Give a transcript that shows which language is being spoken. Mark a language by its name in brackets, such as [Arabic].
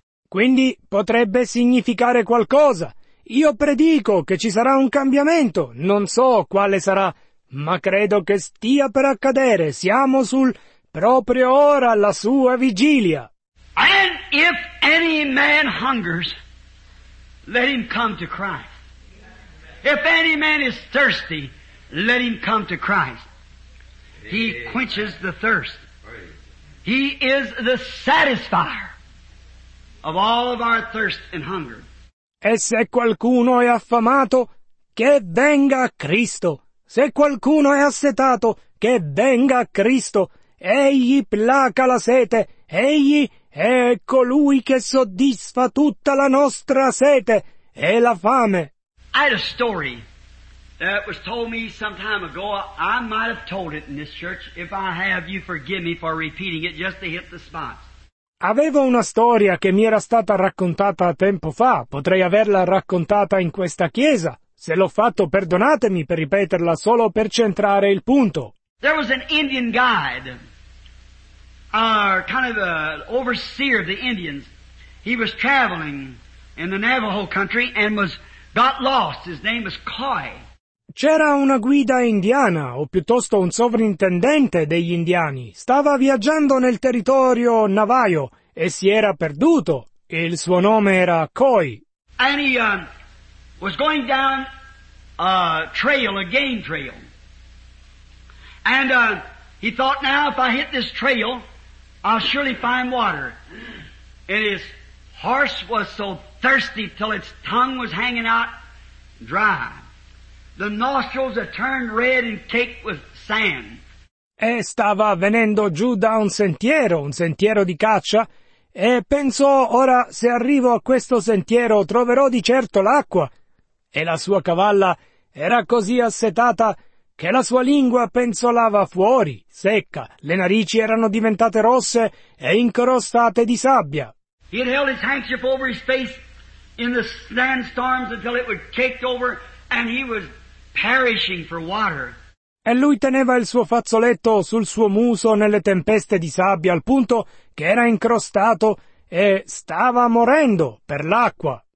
[Italian] Quindi potrebbe significare qualcosa. Io predico che ci sarà un cambiamento. Non so quale sarà, ma credo che stia per accadere. Siamo sul proprio ora, la sua vigilia. [English] And if any man hungers, let him come to Christ. If any man is thirsty, let him come to Christ. He quenches the thirst. He is the satisfier of all of our thirst and hunger. [Italian] E se qualcuno è affamato, che venga a Cristo. Se qualcuno è assetato, che venga a Cristo. Egli placa la sete, egli è colui che soddisfa tutta la nostra sete e la fame. [English] I had a story that was told me some time ago. I might have told it in this church. If I have, you forgive me for repeating it just to hit the spot. [Italian] Avevo una storia che mi era stata raccontata tempo fa. Potrei averla raccontata in questa chiesa. Se l'ho fatto, perdonatemi per ripeterla solo per centrare il punto. [English] There was an Indian guide. overseer of the Indians. He was traveling in the Navajo country and got lost. His name was Coy. [Italian] C'era una guida indiana, o piuttosto un sovrintendente degli indiani. Stava viaggiando nel territorio Navajo e si era perduto. Il suo nome era Coy. [English] And he was going down a trail, a game trail. And he thought, now if I hit this trail, I'll surely find water. And his horse was so thirsty till its tongue was hanging out dry. The nostrils had turned red and caked with sand. [Italian] E stava venendo giù da un sentiero di caccia, e pensò, ora se arrivo a questo sentiero troverò di certo l'acqua. E la sua cavalla era così assetata che la sua lingua penzolava fuori, secca, le narici erano diventate rosse e incrostate di sabbia. [English] He had held his handkerchief over his face in the sandstorms until it was caked over and he was perishing for water. [Italian] E lui teneva il suo fazzoletto sul suo muso nelle tempeste di sabbia al punto che era incrostato e stava morendo per l'acqua.